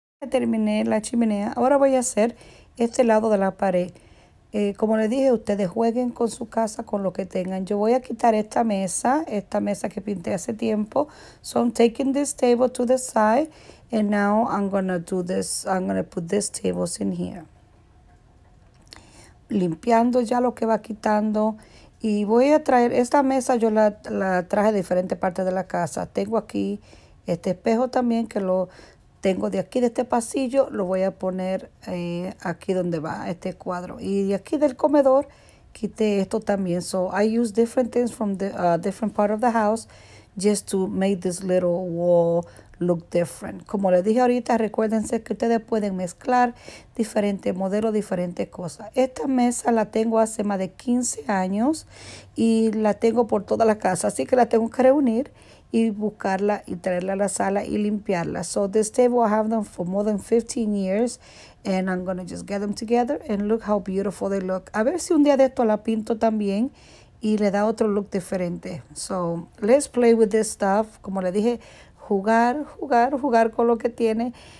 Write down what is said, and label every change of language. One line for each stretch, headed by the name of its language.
Spanish: Terminé la chimenea. Ahora voy a hacer este lado de la pared. Como les dije, ustedes jueguen con su casa, con lo que tengan. Yo voy a quitar esta mesa que pinté hace tiempo.
English: So I'm taking this table to the side and now I'm gonna do this. I'm gonna put these tables in here.
Spanish: Limpiando ya lo que va quitando y voy a traer esta mesa. Yo la traje de diferentes partes de la casa. Tengo aquí este espejo también que lo tengo de aquí de este pasillo, lo voy a poner aquí donde va este cuadro. Y de aquí del comedor, quité esto también.
English: So I use different things from the different part of the house just to make this little wall look different.
Spanish: Como les dije ahorita, recuérdense que ustedes pueden mezclar diferentes modelos, diferentes cosas. Esta mesa la tengo hace más de 15 años y la tengo por toda la casa, así que la tengo que reunir y buscarla y traerla a la sala y limpiarla.
English: So this table I have them for more than 15 years and I'm gonna just get them together and look how beautiful they look.
Spanish: A ver si un día de esto la pinto también y le da otro look diferente.
English: So let's play with this stuff.
Spanish: Como le dije, jugar, jugar, jugar con lo que tiene.